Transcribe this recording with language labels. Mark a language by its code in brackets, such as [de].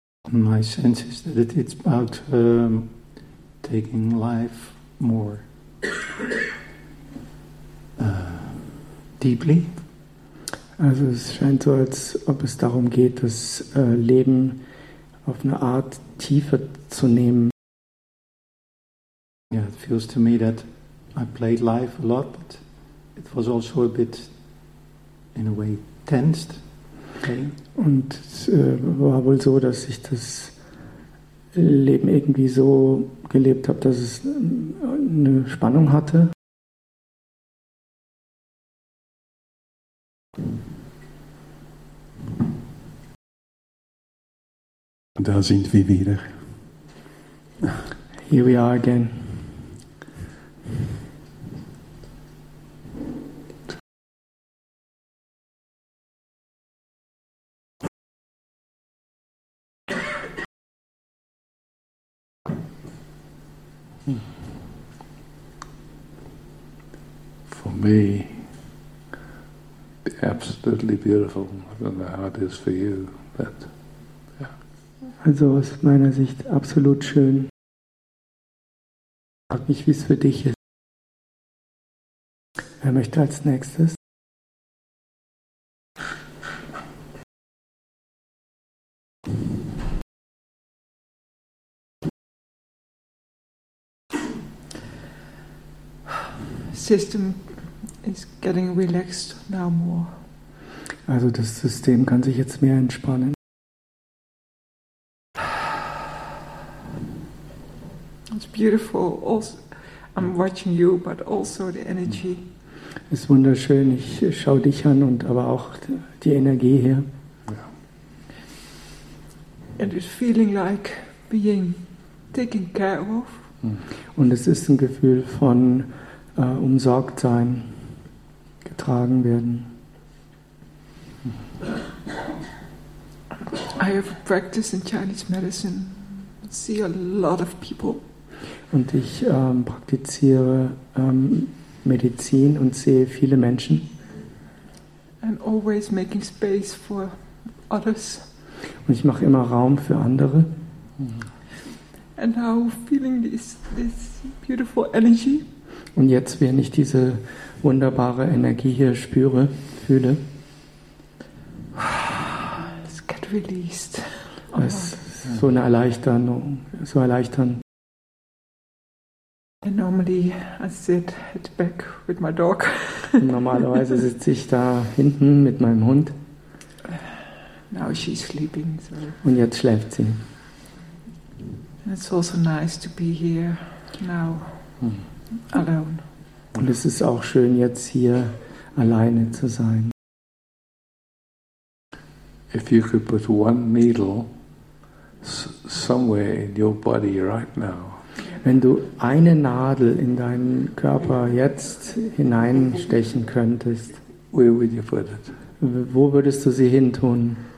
[en] my sense is that it's about taking life more deeply. [de] Also es scheint so, als ob es darum geht, das Leben auf eine Art tiefer zu nehmen. [en] Yeah, it feels to me that I played life a lot, but it was also a bit, in a way, tensed. Okay. [de] Und es war wohl so, dass ich das Leben irgendwie so gelebt habe, dass es eine Spannung hatte. Da sind wir wieder. [en] Here we are again. For me, absolutely beautiful. I don't know how it is for you, but yeah. [de] Also aus meiner Sicht absolut schön. Frag mich, wie es für dich ist. Wer möchte als nächstes? [en] System is getting relaxed now more. [de] Also das System kann sich jetzt mehr entspannen. [en] It's beautiful. Also, I'm watching you, but also the energy. [de] Es ist wunderschön, ich schaue dich an und aber auch die Energie hier. [en] And it's feeling like being taken care of. [de] Und es ist ein Gefühl von umsorgt sein, getragen werden. [en] I have a practice in Chinese medicine. I see a lot of people. [de] Und ich praktiziere Medizin und sehe viele Menschen. [en] And always making space for others. [de] Und ich mache immer Raum für andere. [en] And now feeling this beautiful energy. [de] Und jetzt, wenn ich diese wunderbare Energie hier spüre, fühle, [en] it's get released. [de] Es ist so eine Erleichterung, so erleichtern. [en] And normally I sit at the back with my dog. [de] Normalerweise sitze ich da hinten mit meinem Hund. [en] Now she's sleeping. So. [de] Und jetzt schläft sie. [en] It's also nice to be here now alone. [de] Und es ist auch schön, jetzt hier alleine zu sein. [en] If you could put one needle somewhere in your body right now. [de] Wenn du eine Nadel in deinen Körper jetzt hineinstechen könntest. [en] Where would you put it? [de] Wo würdest du sie hin tun?